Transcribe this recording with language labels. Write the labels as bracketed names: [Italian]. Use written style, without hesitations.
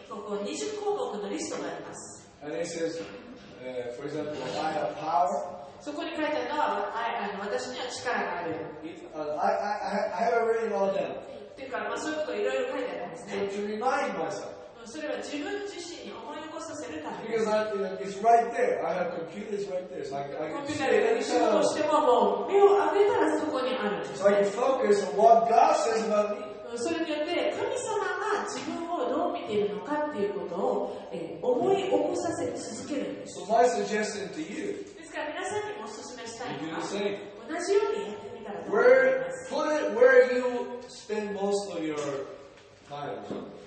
[English] And it says, for example, I have power. [Japanese] そこに書いてあるのは、私には力がある。 [English] I have already known them. [Japanese] というか、まあ、そういうことをいろいろ書いてあるんですね。 [English] To remind myself. [Japanese] それは自分自身に思い起こさせるためです。 [English] Because I, you know, it's right there. I have computer is right there. So I can see it. [Japanese] コンピューターで仕事をしても、もう目を上げたらそこにあるんです。 [English] So I can focus on what God says about me. [Japanese] それによって神様が自分をどう見ているのかっていうことを思い起こさせ続けるんです。 [English] So my suggestion to you. [Japanese] ですから皆さんにもおすすめしたいのは、同じようにやってみたらどうか。 [English] Where, put it where you spend most of your time.